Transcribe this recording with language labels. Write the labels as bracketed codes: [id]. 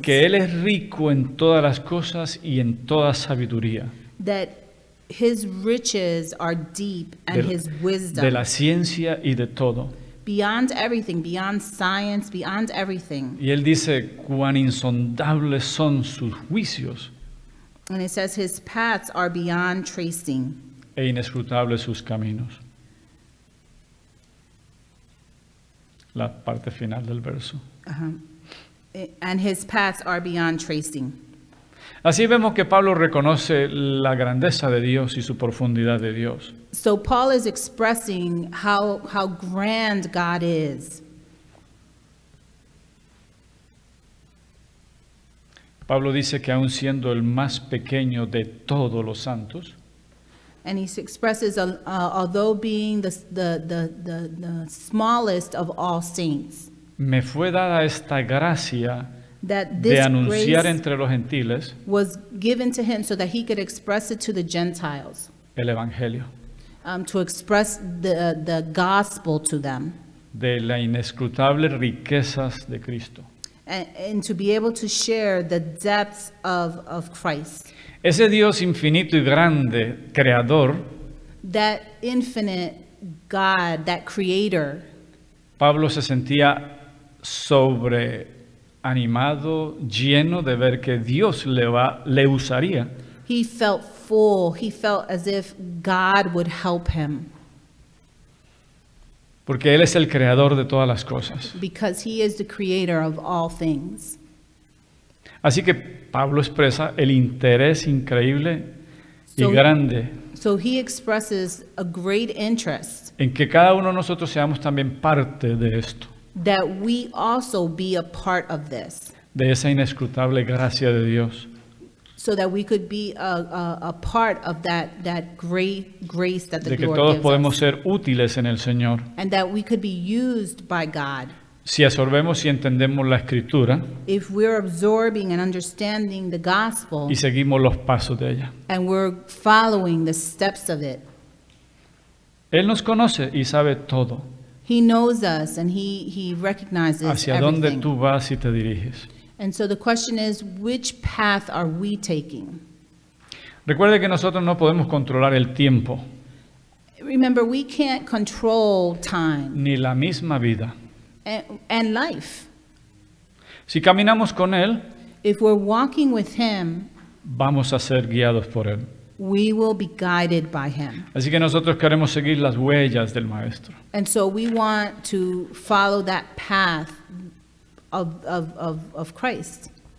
[es] Que él es rico en todas las cosas y en toda sabiduría. [en] That his riches are deep and his wisdom. [es] De la ciencia y de todo. [en] Beyond everything, beyond science, beyond everything. [es] Y él dice cuán insondables son sus juicios. [en] And it says his paths are beyond tracing. [es] E inescrutables sus caminos. La parte final del verso. Uh-huh. [en] And his paths are beyond tracing. [es] Así vemos que Pablo reconoce la grandeza de Dios y su profundidad de Dios. [en] So Paul is expressing how grand God is. [es] Pablo dice que aun siendo el más pequeño de todos los santos. [en] And he expresses, although being the smallest of all saints, [es] me fue dada esta gracia de anunciar entre los gentiles, [en] was given to him so that he could express it to the Gentiles, [es] el evangelio, [en] to express the gospel to them, [es] de la inescrutable riquezas de Cristo, [en] and to be able to share the depths of Christ. [es] Ese Dios infinito y grande, creador. [en] That infinite God, that creator. [es] Pablo se sentía sobreanimado, lleno de ver que Dios le usaría. [en] He felt full. He felt as if God would help him. [es] Porque Él es el creador de todas las cosas. [en] Because he is the creator of all things. [es] Así que Pablo expresa el interés increíble y grande. [en] So he expresses a great interest. [es] En que cada uno de nosotros seamos también parte de esto. [en] That we also be a part of this. [es] De esa inescrutable gracia de Dios. [en] So that we could be a part of that great grace that the Lord [es] De que todos podemos ser útiles en el Señor. [en] And that we could be used by God. [es] Si absorbemos y entendemos la Escritura. [en] If we're absorbing and understanding the gospel. [es] Y seguimos los pasos de ella. [en] And we're following the steps of it. [es] Él nos conoce y sabe todo. [en] He knows us and he recognizes everything. [es] Hacia dónde tú vas y te diriges. [en] And so the question is, which path are we taking? [es] Recuerde que nosotros no podemos controlar el tiempo. [en] Remember, we can't control time. [es] Ni la misma vida. [en] And life. [es] Si caminamos con Él, [en] if we're walking with Him, [es] vamos a ser guiados por Él. [en] We will be guided by Him. [es] Así que nosotros queremos seguir las huellas del Maestro. [en] And so we want to follow that path of Christ.